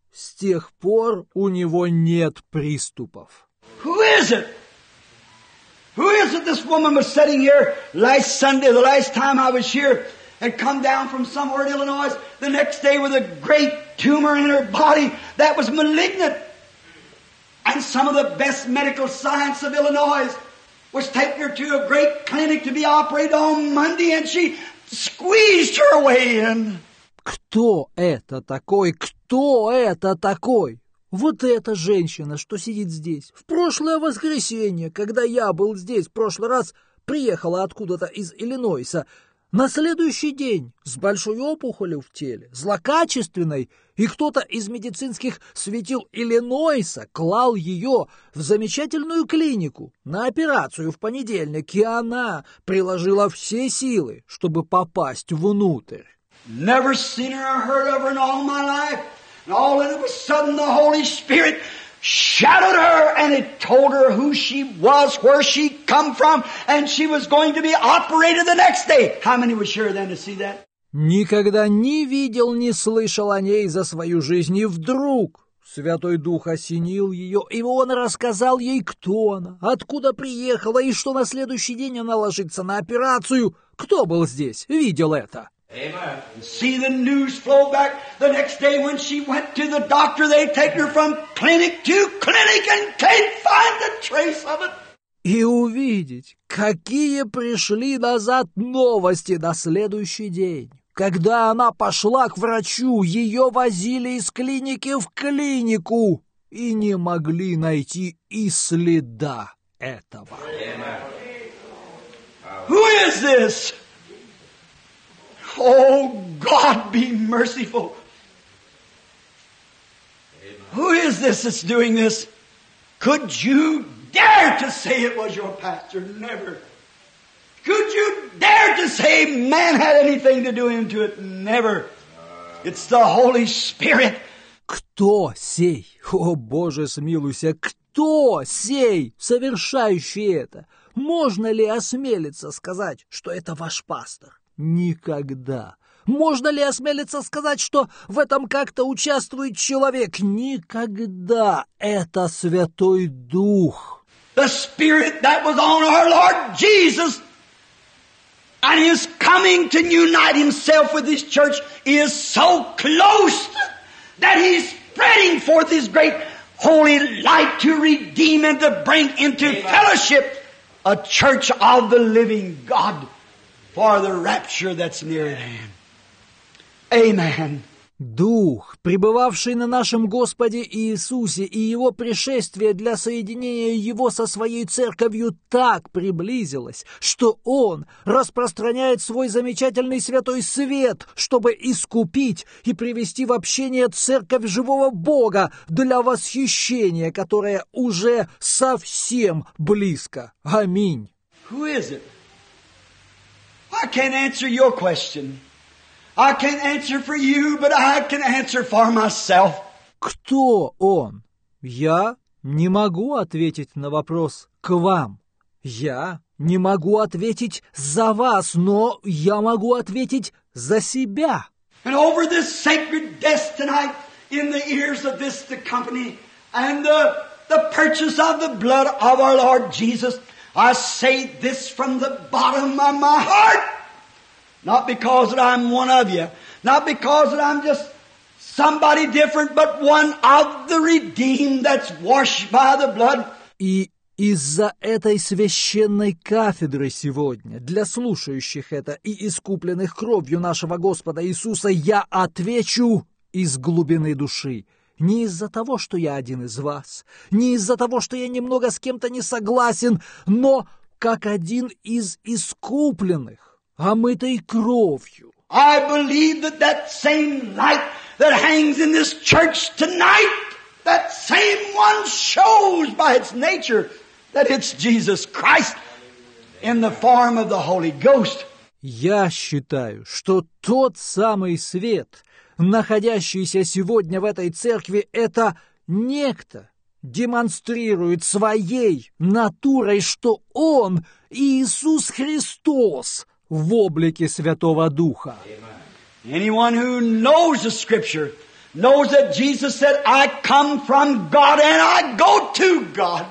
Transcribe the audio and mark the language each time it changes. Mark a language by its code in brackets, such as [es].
[ru] С тех пор у него нет приступов. [en] Who is it? Who is it this woman was sitting here last Sunday, the last time I was here, and come down from somewhere in Illinois the next day with a great tumor in her body that was malignant. And some of the best medical science of Illinois was taking her to a great clinic to be operated on Monday, and she squeezed her way in. [ru] Кто это такой? Кто это такой? Вот эта женщина, что сидит здесь. В прошлое воскресенье, когда я был здесь, в прошлый раз приехала откуда-то из Иллинойса, на следующий день с большой опухолью в теле, злокачественной, и кто-то из медицинских светил Иллинойса клал ее в замечательную клинику на операцию в понедельник, и она приложила все силы, чтобы попасть внутрь. [en] Never seen her or heard of her in all my life. And all of a sudden the Holy Spirit shouted her and it told her who she was, where she come from, and she was going to be operated the next day. How many were sure then to see that? [ru] Никогда не видел, не слышал о ней за свою жизнь. И вдруг Святой Дух осенил ее, и он рассказал ей, кто она, откуда приехала, и что на следующий день она ложится на операцию. Кто был здесь, видел это? [en] Amen. See the news flow back the next day when she went to the doctor, they take her from clinic to clinic and can't find a trace of it. [ru] И увидеть, какие пришли назад новости на следующий день. Когда она пошла к врачу, ее возили из клиники в клинику и не могли найти и следа этого. [en] Amen. Who is this? Oh, God, be merciful. Amen. Who is this that's doing this? Could you dare to say it was your pastor? Never. Could you dare to say man had anything to do into it? Never. It's the Holy Spirit. [ru] Кто сей? О, Боже, смилуйся. Кто сей, совершающий это? Можно ли осмелиться сказать, что это ваш пастор? Никогда. Можно ли осмелиться сказать, что в этом как-то участвует человек? Никогда. Это Святой Дух. [en] The Spirit that was on our Lord Jesus and is coming to unite himself with his church is so close that he's spreading forth his great holy light to redeem and to bring into fellowship a church of the living God. For the rapture that's near at hand. Amen. [ru] Дух, пребывавший на нашем Господе Иисусе, и Его пришествие для соединения Его со Своей Церковью так приблизилось, что Он распространяет Свой замечательный Святой Свет, чтобы искупить и привести в общение Церковь Живого Бога для восхищения, которое уже совсем близко. Аминь. [en] Who is it? I can't answer your question. I can't answer for you, but I can answer for myself. [ru] Кто он? Я не могу ответить на вопрос к вам. Я не могу ответить за вас, но я могу ответить за себя. [en] And over this sacred desk tonight, in the ears of this the company, and the purchase of the blood of our Lord Jesus, I say this from the bottom of my heart. Not because that I'm one of you, not because that I'm just somebody different, but one of the redeemed that's washed by the blood. [ru] И из-за этой священной кафедры сегодня, для слушающих это и искупленных кровью нашего Господа Иисуса, я отвечу из глубины души. Не из-за того, что я один из вас, не из-за того, что я немного с кем-то не согласен, но как один из искупленных. Омытой кровью. [en] I believe that that same light that hangs in this church tonight, that same one shows by its nature that it's Jesus Christ in the form of the Holy Ghost. [ru] Я считаю, что тот самый свет, находящийся сегодня в этой церкви, это некто демонстрирует своей натурой, что Он Иисус Христос. В облике Святого Духа. [en] Anyone who knows the Scripture knows that Jesus said, "I come from God and I go to God."